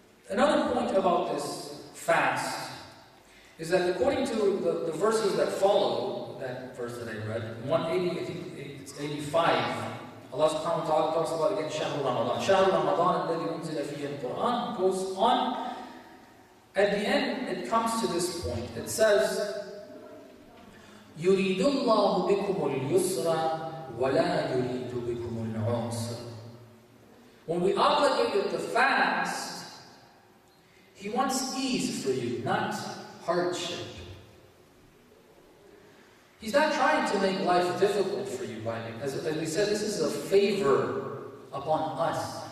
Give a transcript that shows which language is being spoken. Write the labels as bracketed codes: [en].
[en] Another point about this fast is that according to the verses that follow, that verse that I read, 180, I think it's 85, Allah subhanahu wa ta'ala talks about again Shahrul Ramadan. [ar] Shahrul Ramadan alladhi unzila fihi al-Qur'an [en] goes on. At the end, it comes to this point. It says, [ar] يُرِيدُ اللَّهُ بِكُمُ الْيُسْرَ وَلَا يُرِيدُ بِكُمُ الْعُسْرَ. [en] When we obligate the fast, He wants ease for you, not hardship. He's not trying to make life difficult for you by me. As we said, this is a favor upon us.